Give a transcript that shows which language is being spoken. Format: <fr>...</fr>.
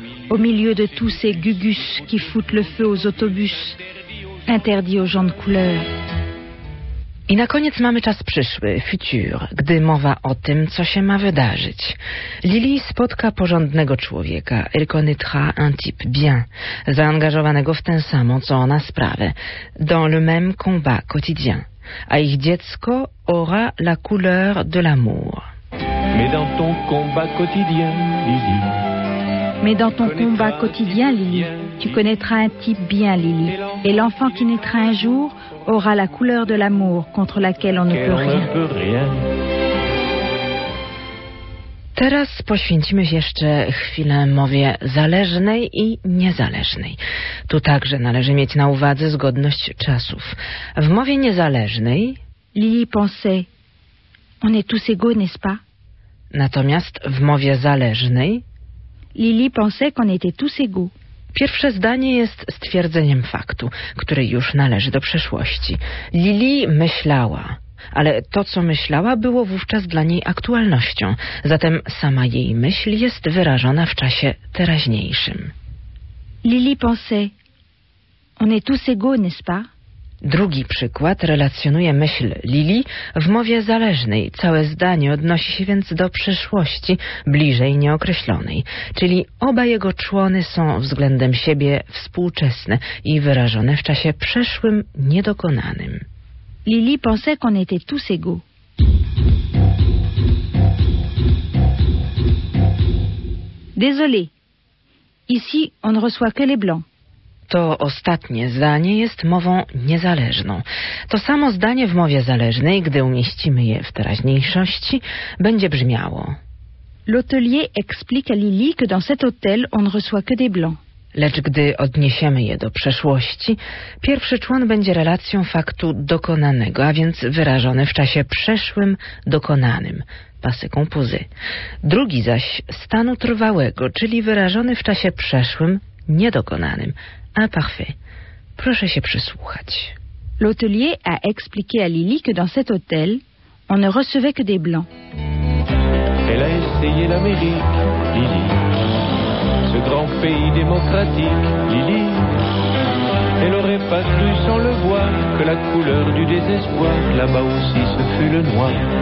<fr>Au milieu de tous ces gugus qui foutent le feu aux autobus, interdits aux gens de couleur.</fr> <pl>I na koniec mamy czas przyszły, future, gdy mowa o tym, co się ma wydarzyć. Lili spotka porządnego człowieka,</pl> <fr>elle connaîtra un type bien,</fr> <pl>zaangażowanego w tę samą, co ona sprawę,</pl> <fr>dans le même combat quotidien,</fr> <pl>a ich dziecko</pl> <fr>aura la couleur de l'amour. Mais dans ton combat quotidien, Lili. Mais dans ton combat quotidien, Lily, tu connaîtras un type bien, Lily. Et l'enfant qui naîtra un jour aura la couleur de l'amour contre laquelle on ne peut rien.</fr> <pl>Teraz poświęcimy jeszcze chwilę mowie zależnej i niezależnej. Tu także należy mieć na uwadze zgodność czasów. W mowie niezależnej</pl> <fr>Lily pensait, on est tous égaux, n'est-ce pas?</fr> <pl>Natomiast w mowie zależnej</pl> <fr>Lili pensait qu'on était tous égaux.</fr> <pl>Pierwsze zdanie jest stwierdzeniem faktu, który już należy do przeszłości. Lili myślała, ale to, co myślała, było wówczas dla niej aktualnością. Zatem sama jej myśl jest wyrażona w czasie teraźniejszym.</pl> <fr>Lili pensait, on est tous égaux, n'est-ce pas?</fr> <pl>Drugi przykład relacjonuje myśl Lili w mowie zależnej. Całe zdanie odnosi się więc do przyszłości, bliżej nieokreślonej. Czyli oba jego człony są względem siebie współczesne i wyrażone w czasie przeszłym niedokonanym.</pl> <fr>Lili pensait qu'on était tous égaux. Désolé. Ici, on ne reçoit que les blancs.</fr> <pl>To ostatnie zdanie jest mową niezależną. To samo zdanie w mowie zależnej, gdy umieścimy je w teraźniejszości, będzie brzmiało.</pl> <fr>L'hôtelier explique à Lili que dans cet hôtel on ne reçoit que des blancs.</fr> <pl>Lecz gdy odniesiemy je do przeszłości, pierwszy człon będzie relacją faktu dokonanego, a więc wyrażony w czasie przeszłym dokonanym. Passé composé. Drugi zaś stanu trwałego, czyli wyrażony w czasie przeszłym niedokonanym.</pl> <fr>Ah, parfait.</fr> <pl>Proszę się przysłuchać.</pl> <fr>L'hôtelier a expliqué à Lili que dans cet hôtel, on ne recevait que des blancs. Elle a essayé l'Amérique, Lili. Ce grand pays démocratique, Lili. Elle aurait pas cru sans le voir que la couleur du désespoir, là-bas aussi ce fut le noir.</fr>